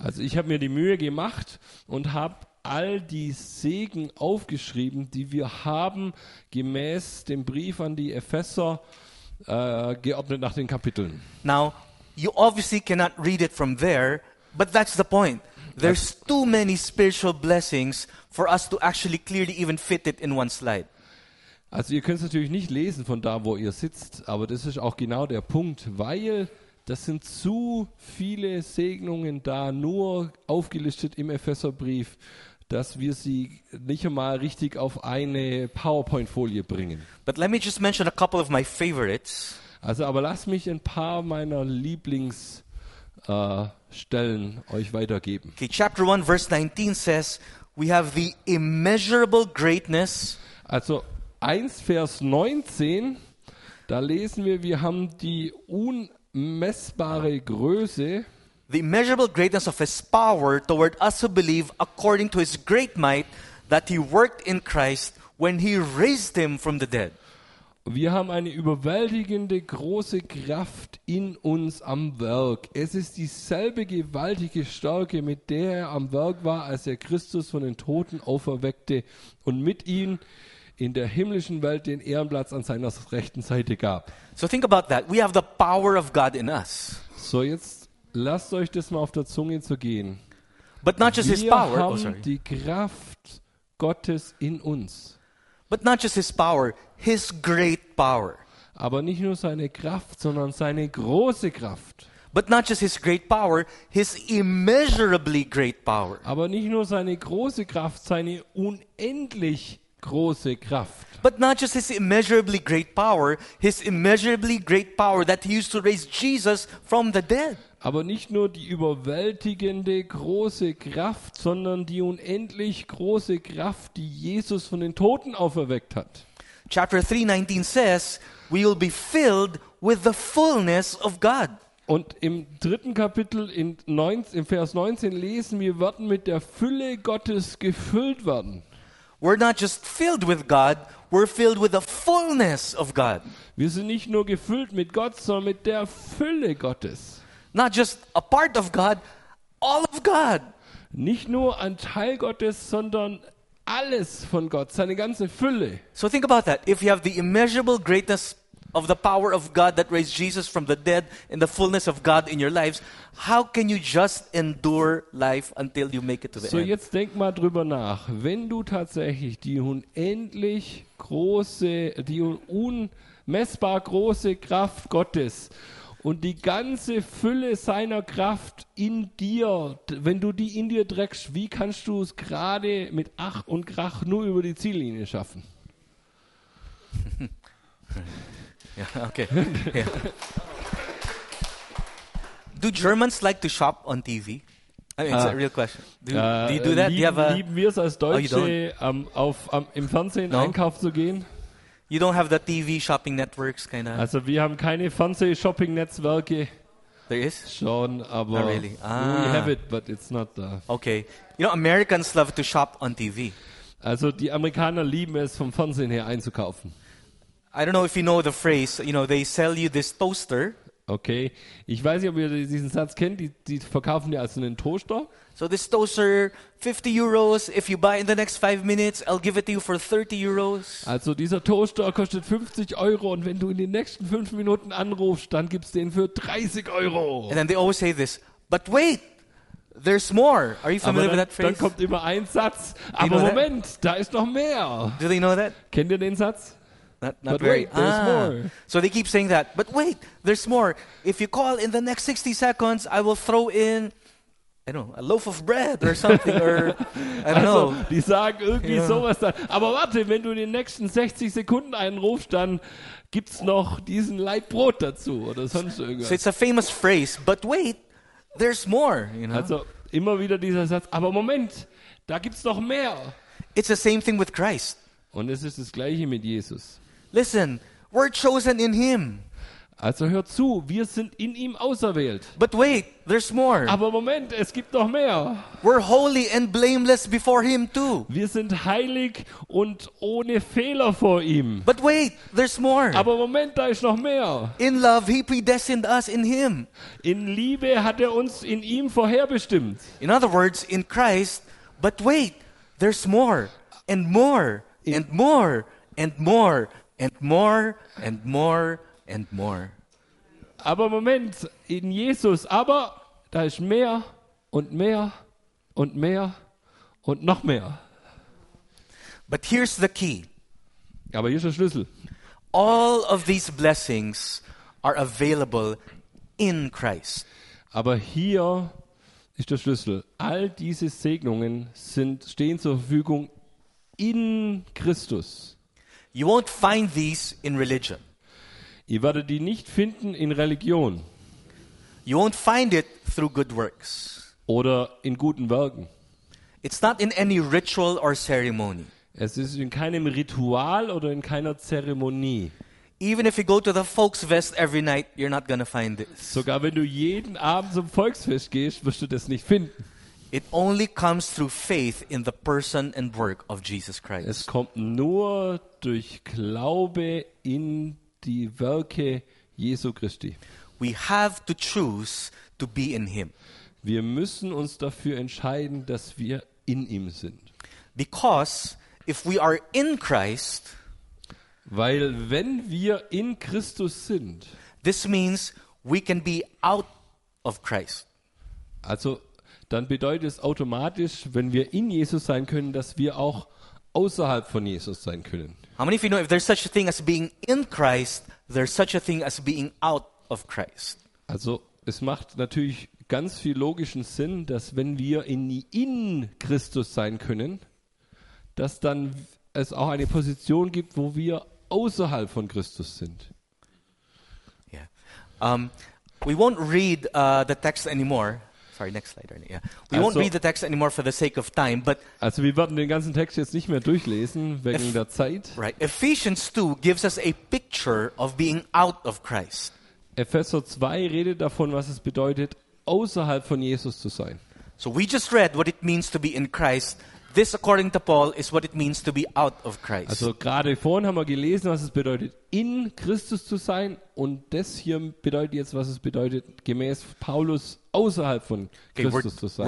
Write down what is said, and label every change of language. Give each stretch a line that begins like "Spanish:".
German: Also ich habe mir die Mühe gemacht und habe all die Segen aufgeschrieben, die wir haben, gemäß dem Brief an die Epheser, geordnet nach den Kapiteln.
English: Now, you obviously cannot read it from there, but that's the point. There's too many spiritual blessings for us to actually clearly even fit it in one slide.
German: Also ihr könnt es natürlich nicht lesen von da, wo ihr sitzt, aber das ist auch genau der Punkt, weil das sind zu viele Segnungen da, nur aufgelistet im Epheserbrief, dass wir sie nicht einmal richtig auf eine PowerPoint-Folie bringen.
English: But let me just mention a couple of my favorites.
German: Also, aber lass mich ein paar meiner Lieblingsstellen euch weitergeben.
English: Okay, chapter 1, verse 19 says, we have the immeasurable greatness.
German: Also, 1, Vers 19, da lesen wir haben die unmessbare Größe.
English: The immeasurable greatness of his power toward us who believe according to his great might that he worked in Christ when he raised him from the dead.
German: Wir haben eine überwältigende große Kraft in uns am Werk. Es ist dieselbe gewaltige Stärke, mit der er am Werk war, als er Christus von den Toten auferweckte und mit ihm in der himmlischen Welt den Ehrenplatz an seiner rechten Seite gab.
English: So think about that. We have the power of God in us.
German: So jetzt lasst euch das mal auf der Zunge zu gehen.
English: But not just
German: wir
English: his power.
German: Haben
English: oh, sorry.
German: Die Kraft Gottes in uns.
English: But not just his power, his great power.
German: Aber nicht nur seine Kraft, sondern seine große Kraft.
English: But not just his great power, his immeasurably great power.
German: Aber nicht nur seine große Kraft, seine unendlich große Kraft.
English: But not just his immeasurably great power, his immeasurably great power that he used to raise Jesus from the dead.
German: Aber nicht nur die überwältigende große Kraft, sondern die unendlich große Kraft, die Jesus von den Toten auferweckt hat.
English: Chapter 3:19 says, we will be filled with the fullness of God.
German: Und im dritten Kapitel im Vers 19 lesen wir, werden mit der Fülle Gottes gefüllt werden.
English: We're not just filled with God, we're filled with the fullness of God.
German: Wir sind nicht nur gefüllt mit Gott, sondern mit der Fülle Gottes.
English: Not just a part of God, all of God.
German: Nicht nur ein Teil Gottes, sondern alles von Gott, seine ganze Fülle.
English: So think about that. If you have the immeasurable greatness of the power of God that raised Jesus from the dead in the fullness of God in your lives, how can you just endure life until you make it to the end?
German: So jetzt denk mal drüber nach. Wenn du tatsächlich die unendlich große, die unmessbar große Kraft Gottes und die ganze Fülle seiner Kraft in dir, wenn du die in dir trägst, wie kannst du es gerade mit Ach und Krach nur über die Ziellinie schaffen?
English: Yeah, okay. Yeah. Do Germans like to shop on TV? I mean, it's a real question. Do you do that?
German: Lieben wir es als Deutsche, im Fernsehen einkaufen zu gehen?
English: You don't have the TV shopping networks, kind of.
German: Also, wir haben keine Fernseh-Shopping-Netzwerke.
English: There is?
German: Schon, aber
English: not really. We have it, but it's not there. Okay. You know, Americans love to shop on TV.
German: Also, die Amerikaner lieben es, vom Fernsehen her einzukaufen.
English: I don't know if you know the phrase, you know, they sell you this toaster. Okay.
German: Ich weiß nicht, ob ihr diesen Satz kennt, die verkaufen dir also einen Toaster.
English: So this toaster, 50 euros, if you buy in the next 5 minutes, I'll give it to you for 30 euros.
German: Also dieser Toaster kostet 50 Euro und wenn du in den nächsten 5 Minuten anrufst, dann gibst du den für 30 Euro.
English: And then they always say this, but wait, there's more. Are you familiar
German: dann,
English: with that phrase?
German: Dann kommt immer ein Satz, aber Moment,
English: that?
German: Da ist noch mehr.
English: Do they know that?
German: Kennt ihr den Satz?
English: Not very. Wait, there's more. So they keep saying that. But wait, there's more. If you call in the next 60 seconds, I will throw in, I don't know, a loaf of bread or something. Or I don't
German: also,
English: know.
German: Die sagen irgendwie sowas dann. Aber warte, wenn du in den nächsten 60 Sekunden einrufst, dann gibt's noch diesen Leibbrot dazu oder sonst irgendwas.
English: So it's a famous phrase. But wait, there's more. You know?
German: Also immer wieder dieser Satz. Aber Moment, da gibt's noch mehr.
English: It's the same thing with Christ.
German: Und es ist das Gleiche mit Jesus.
English: Listen, we're chosen in him.
German: Also hör zu, wir sind in ihm auserwählt.
English: But wait, there's more.
German: Aber Moment, es gibt noch mehr.
English: We're holy and blameless before him too.
German: Wir sind heilig und ohne Fehler vor ihm.
English: But wait, there's more.
German: Aber Moment, da ist noch mehr.
English: In love he predestined us in him.
German: In Liebe hat er uns in ihm vorherbestimmt.
English: In other words, in Christ. But wait, there's more and more. And more, and more, and more, and more, and more.
German: Aber Moment, in Jesus, aber da ist mehr und mehr und mehr und noch mehr.
English: But here's the key.
German: Aber hier ist der Schlüssel.
English: All of these blessings are available in Christ.
German: Aber hier ist der Schlüssel. All diese Segnungen stehen zur Verfügung in Christus.
English: You won't find these in religion.
German: Ihr werdet die nicht finden in Religion.
English: You won't find it through good works.
German: Oder in guten Werken.
English: It's not in any ritual or ceremony.
German: Es ist in keinem Ritual oder in keiner Zeremonie.
English: Even if you go to the Volksfest every night, you're not gonna find this.
German: Sogar wenn du jeden Abend zum Volksfest gehst, wirst du das nicht finden.
English: It only comes through faith in the person and work of Jesus Christ.
German: Es kommt nur durch Glaube in die Werke Jesu Christi.
English: We have to choose to be in him.
German: Wir müssen uns dafür entscheiden, dass wir in ihm sind.
English: Because if we are in Christ,
German: weil wenn wir in Christus sind,
English: this means we can be out of Christ.
German: Also dann bedeutet es automatisch, wenn wir in Jesus sein können, dass wir auch außerhalb von Jesus sein können.
English: How many of you know if there's such a thing as being in Christ, there's such a thing as being out of Christ?
German: Also, es macht natürlich ganz viel logischen Sinn, dass wenn wir in Christus sein können, dass dann es auch eine Position gibt, wo wir außerhalb von Christus sind.
English: Yeah. We won't read the text anymore. Sorry, next slide. Yeah. Won't read the text anymore for the sake of time, but
German: also wir werden den ganzen Text jetzt nicht mehr durchlesen wegen der Zeit.
English: Right. Ephesians 2 gives us a picture of being out of Christ.
German: Epheser 2 redet davon, was es bedeutet, außerhalb von Jesus zu sein.
English: So we just read what it means to be in Christ. This, according to Paul, is what it means to be out of Christ.
German: Also gerade vorhin haben wir gelesen, was es bedeutet, in Christus zu sein, und das hier bedeutet jetzt, was es bedeutet, gemäß Paulus außerhalb von Christus zu sein.